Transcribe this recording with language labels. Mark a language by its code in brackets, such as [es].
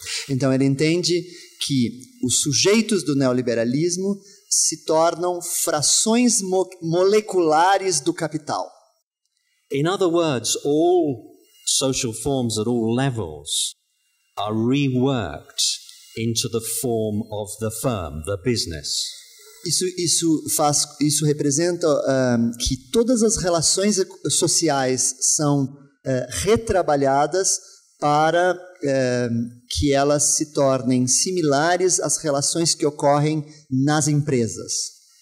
[pt] Então ele entende que os sujeitos do neoliberalismo se tornam frações moleculares do capital. [en] In other words, all social forms at all levels are reworked into the form of the firm, the business. [pt] Isso representa que todas as relações sociais são retrabalhadas para que elas se tornem similares às relações que ocorrem nas empresas.